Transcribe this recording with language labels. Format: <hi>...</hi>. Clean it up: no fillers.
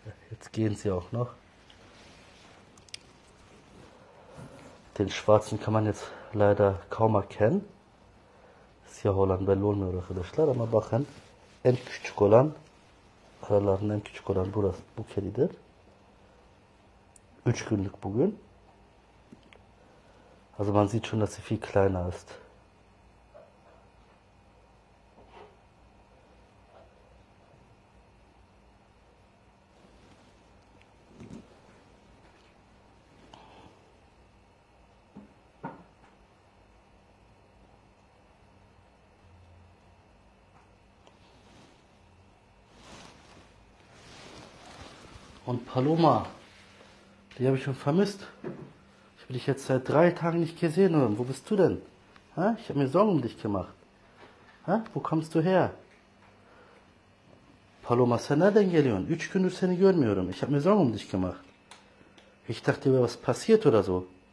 <de>Jetzt gehen sie auch noch. Den schwarzen kann man jetzt leider kaum erkennen. Das ist hier Holland Bellone oder vielleicht leider mal machen. Entschkolan.</de> <tr>Aralarında en küçük olan burası, bu kedidir. 3 günlük bugün.</tr> <de>Also man sieht schon, dass sie viel kleiner ist. Und Paloma, die habe ich schon vermisst. Ich habe dich jetzt seit 3 Tagen nicht gesehen. Und wo bist du denn? Ha? Ich habe mir Sorgen um dich gemacht. Ha? Wo kommst du her?</de> <tr>Paloma, sen nereden geliyorsun? 3 gündür seni görmüyorum.</tr> <de>Ich habe mir Sorgen um dich gemacht. Ich dachte, was passiert oder so.</de>